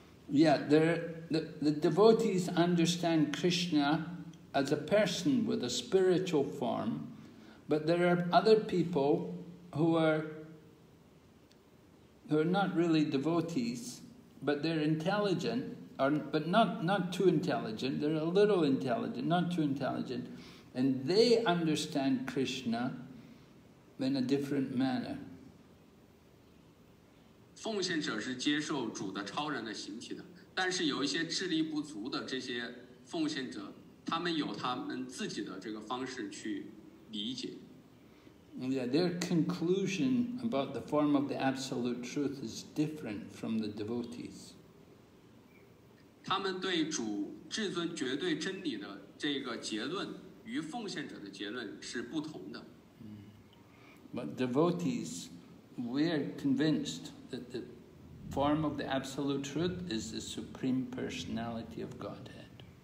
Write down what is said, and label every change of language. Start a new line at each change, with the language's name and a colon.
English: Yeah, the devotees understand Krishna as a person with a spiritual form, but there are other people who are not really devotees, but they're intelligent, but not too intelligent, they're a little intelligent, not too intelligent, and they understand Krishna in a different manner.
Chinese: 奉献者是接受主的超人的形体的，但是有一些智力不足的这些奉献者，他们有他们自己的这个方式去理解。
English: Yeah, their conclusion about the form of the absolute truth is different from the devotees.
Chinese: 他们对主至尊绝对真理的这个结论与奉献者的结论是不同的。
English: But devotees, we are convinced. That the form of the Absolute Truth is the Supreme Personality of Godhead.